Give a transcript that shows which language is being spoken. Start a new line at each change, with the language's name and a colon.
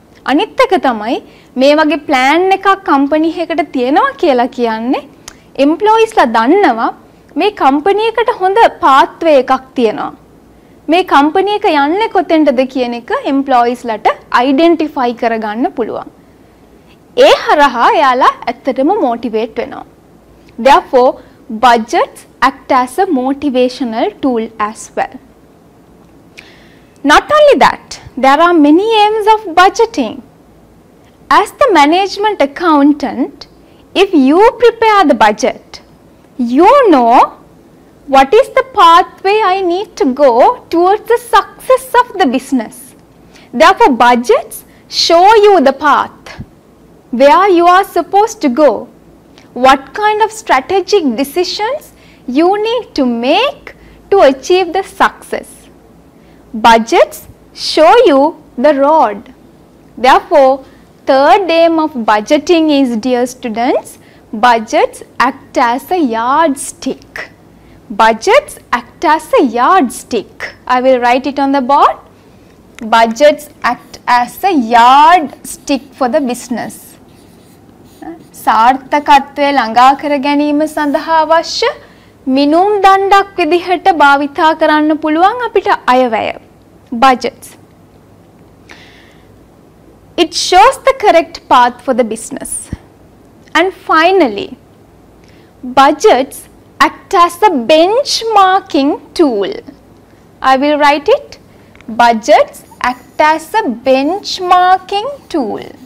Sinhala: අනිත් එක තමයි මේ වගේ plan එකක් company එකකට තියෙනවා කියලා කියන්නේ employees ලා දන්නවා මේ company එකට හොඳ pathway එකක් තියෙනවා මේ company එක යන්නේ කොතෙන්ටද කියන එක employees ලාට identify කරගන්න පුළුවන් ඒ හරහා එයාලා ඇත්තටම motivate වෙනවා
English: therefore budgets act as a motivational tool as well. Not only that, there are many aims of budgeting. As the management accountant, if you prepare the budget, you know what is the pathway I need to go towards the success of the business. Therefore, budgets show you the path where you are supposed to go. What kind of strategic decisions you need to make to achieve the success. Budgets show you the road. Therefore, third aim of budgeting is, dear students, budgets act as a yardstick. Budgets act as a yardstick. I will write it on the board. Budgets act as a yardstick for the business.
Sinhala: සාර්ථකත්වයේ ළඟා කර ගැනීම සඳහා අවශ්‍ය මිනුම් දණ්ඩක් විදිහට භාවිතා කරන්න පුළුවන් අපිට අයවැය
English: budgets it shows the correct path for the business and finally budgets act as a benchmarking tool I will write it budgets act as a benchmarking tool